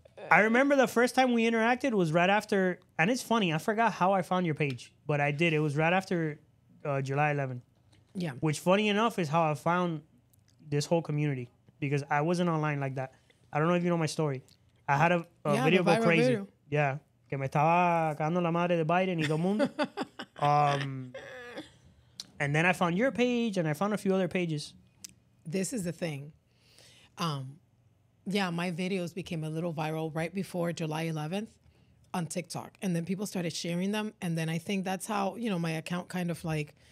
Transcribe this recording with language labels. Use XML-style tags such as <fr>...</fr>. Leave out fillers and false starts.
<en>I remember the first time we interacted was right after... And it's funny. I forgot how I found your page. But I did. It was right after July 11th. Yeah. Which, funny enough, is how I found this whole community. Because I wasn't online like that. I don't know if you know my story. I had a yeah, video go crazy. Video. Yeah.</en> <es>Que me estaba cagando la madre de Biden y todo mundo.</es> <en>And then I found your page and I found a few other pages. This is the thing. Yeah, my videos became a little viral right before July 11th on TikTok. And then people started sharing them. And then I think that's how, you know, my account kind of like...</en>